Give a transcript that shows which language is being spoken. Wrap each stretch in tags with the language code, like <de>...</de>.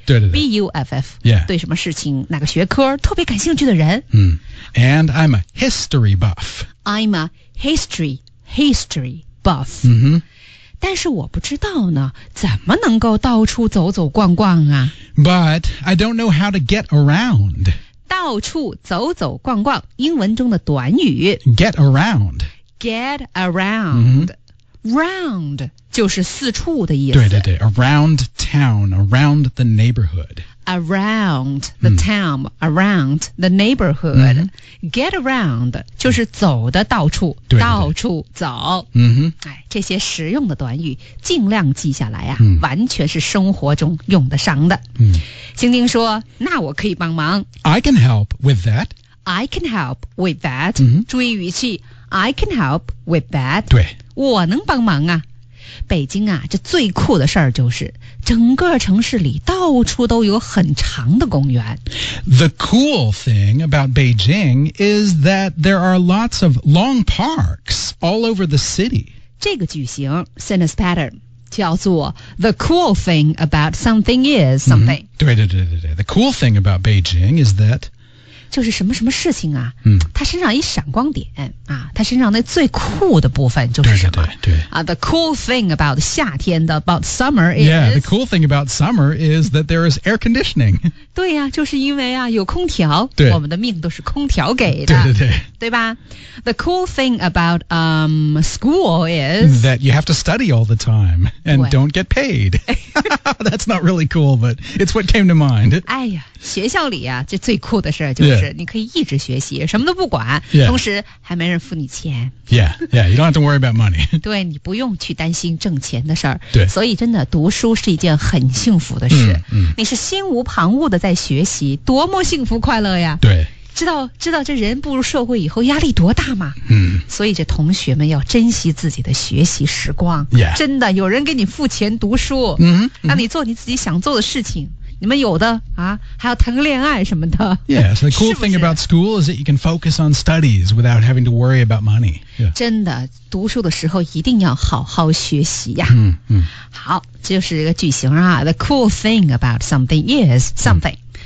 <zh>对对对</zh> <en>，BUFF， yeah，</en> <zh>对什么事情哪个学科特别感兴趣的人，</zh> <en>嗯、，and I'm a history buff， I'm a history buff，嗯哼，</en> <zh>但是我不知道呢，怎么能够到处走走逛逛啊</zh> <en>？But I don't know how to get around，</en> <zh>到处走走逛逛，英文中的短语</zh> <en>get around、</en> <zh>嗯。Round 就是四处的意思。对对对</zh> <en>，around town, around the neighborhood. Around the town,、嗯、around the neighborhood.、嗯、</en> <zh>get around 就是走的到处，对对对到处走。嗯哼，哎，这些实用的短语尽量记下来啊、嗯，完全是生活中用得上的。嗯，晶晶说：“那我可以帮忙。</zh> <en>”I can help with that. I can help with that.、嗯、</en> <zh>注意语气</zh> <en>，I can help with that.</en> <zh>对。我能帮忙啊北京啊这最酷的事儿就是整个城市里到处都有很长的公园</zh> <en>The cool thing about Beijing is that there are lots of long parks all over the city</en> <zh>这个句型</zh> <en>sentence pattern 叫做 The cool thing about something is something、</en> <zh>嗯、对对对对对</zh> <en>The cool thing about Beijing is that</en> <zh>就是什么什么事情啊、嗯、它身上一闪光点啊他身上那最酷的部分就是什么？对对对对</zh> <en>啊 ，the cool thing about</en> <zh>夏天的</zh> <en>about summer is yeah the cool thing about summer is that there is air conditioning</en> <zh>对呀、啊，就是因为啊有空调，对，我们的命都是空调给的，对对对，对吧</zh> <en>？The cool thing about school is that you have to study all the time and don't get paid. That's not really cool, but it's what came to mind.</en> <zh>哎呀，学校里啊，这最酷的事就是你可以一直学习，什么都不管，</zh> <en>yeah.</en> <zh>同时还没人付你钱。</zh> <en>Yeah, you don't have to worry about money.</en> <zh>对，你不用去担心挣钱的事儿。对，所以真的读书是一件很幸福的事。嗯，嗯你是心无旁骛的在学习，多么幸福快乐呀！对。知道这人步入社会以后压力多大吗？嗯，所以这同学们要珍惜自己的学习时光。</zh> <en>Yeah.</en> <zh>真的，有人给你付钱读书，嗯、mm-hmm. ，让你做你自己想做的事情。你们有的啊，还要谈个恋爱什么的。</zh> <en>Yeah, so the cool thing about school is that you can focus on studies without having to worry about money.、Yeah.</en> <zh>真的，读书的时候一定要好好学习呀。嗯嗯。好，这就是一个句型啊。</zh> <en>The cool thing about something is something.、Mm.</en>